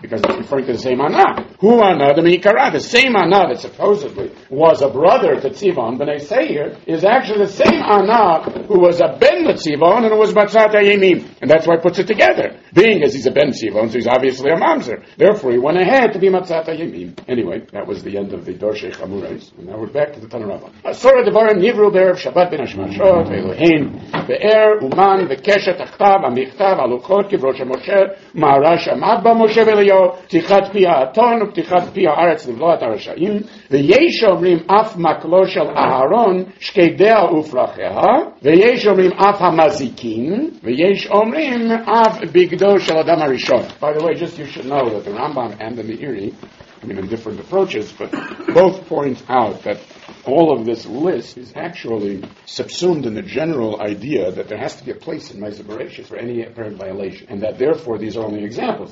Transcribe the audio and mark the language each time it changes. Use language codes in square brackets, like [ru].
[en] Because it's referring to the same Ana. Who Ana, the Mikara, the same Ana that supposedly was a brother to Tzivon, B'nai Seir, is actually the same Ana who was a ben to Tzivon and was Matzah Taimi. And that's why it puts it together. Being as he's a ben Tzivon, so he's obviously a mamzer. Therefore, he went ahead to be Matzah Taimi. Anyway, that was the end of the Dorshei Chamurais. And now we're back to the Tanarava. [he] Asura Devarim Nivru Berev Shabbat Ben Hashemashot Ve'elohim Be'er Uman וקשת הכתב, המכתב, הלוחות, קברו של משה, מערה שמעת בה משה וליהו, פתיחת פי האתון ופתיחת פי הארץ לבלועת הרשעים, ויש אומרים אף מקלו של אהרון, שקדיה ופרחיה, ויש אומרים אף המזיקים, ויש אומרים אף בגדו של אדם הראשון. [en] By the way, just you should know that the Rambam and the Meiri, I mean in different approaches, but both point out that all of this list is actually subsumed in the general idea that there has to be a place in Maaseh Bereishis for any apparent violation, and that therefore these are only examples.